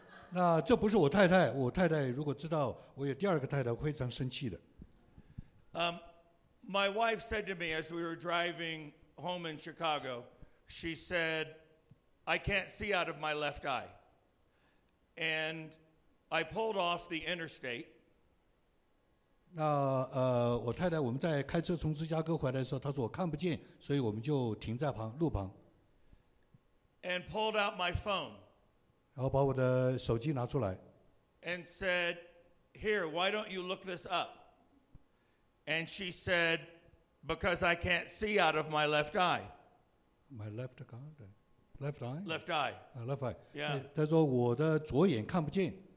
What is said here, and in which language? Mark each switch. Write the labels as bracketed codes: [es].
[zh] 那这不是我太太，我太太如果知道我有第二个太太，非常生气的。 [en] My wife said to me as we were driving home in Chicago, she said, I can't see out of my left eye. And I pulled off the interstate. [zh] 那我太太我们在开车从芝加哥回来的时候，她说我看不见，所以我们就停在路旁。 [en] And pulled out my phone. [zh] 然后把我的手机拿出来。 [en] And said, here, why don't you look this up? And she said, because I can't see out of my left eye. My left eye? Left eye? Left eye. Left eye. Yeah. [zh] 她说我的左眼看不见。